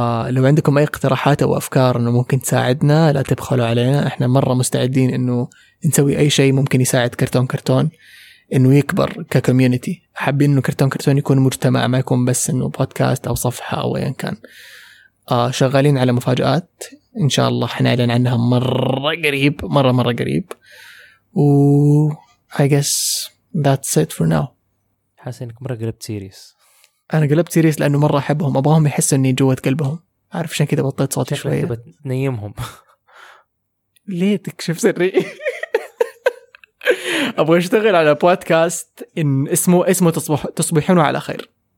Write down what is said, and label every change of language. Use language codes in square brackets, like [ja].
[ar] لو عندكم أي اقتراحات أو أفكار أنه ممكن تساعدنا، لا تبخلوا علينا، إحنا مرة مستعدين أنه نسوي أي شيء ممكن يساعد كرتون أنه يكبر ككوميونيتي. حابين أنه كرتون يكون مجتمع، ما يكون بس أنه بودكاست أو صفحة أو أيا كان. شغالين على مفاجآت إن شاء الله حنعلن عنها مرة قريب. [en] و I guess that's it for now. [ar] حاسس أنك مرة قلبت سيريس. أنا قلبت سيريس لأنه مرة أحبهم، أبغاهم يحسوا أني جوة قلبهم، عارف شان كده بطيت صوتي شوية. شكرا بتنيمهم. ليه تكشف سري؟ أبغى أشتغل على بودكاست إن اسمه تصبحون على خير.